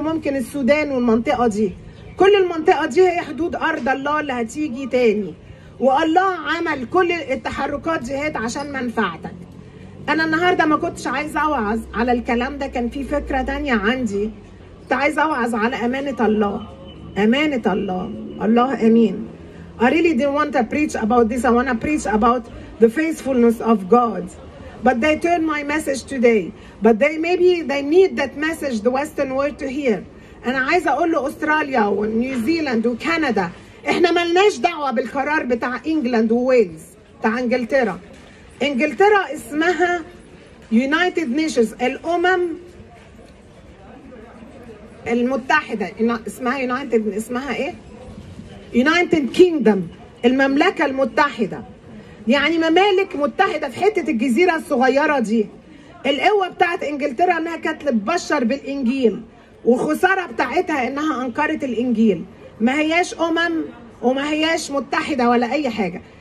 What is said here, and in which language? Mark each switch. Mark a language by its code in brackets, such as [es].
[ar] ممكن السودان والمنطقة دي. كل المنطقة دي هي حدود أرض الله اللي هتيجي تاني. والله عمل كل التحركات جهات عشان منفعتك. أنا النهاردة ما كنتش عايز أوعظ على الكلام ده. كان في فكرة تانية عندي. عايز أوعظ على أمانة الله. أمانة الله. الله أمين. [en] I really didn't want to preach about this. I want to preach about the faithfulness of God. But they turned my message today. But maybe they need that message, the Western world, to hear. [ar] أنا عايزة أقول له أستراليا ونيوزيلاند وكندا. إحنا ملناش دعوة بالقرار بتاع إنجلاند وويلز بتاع إنجلترا. إنجلترا اسمها United Nations. الأمم المتحدة اسمها United. اسمها إيه؟ United Kingdom. المملكة المتحدة. يعني ممالك متحدة في حتة الجزيرة الصغيرة دي. القوة بتاعت إنجلترا إنها كانت تبشر بالإنجيل. وخسارة بتاعتها انها انكرت الانجيل. ما هياش امم وما هياش متحدة ولا اي حاجة.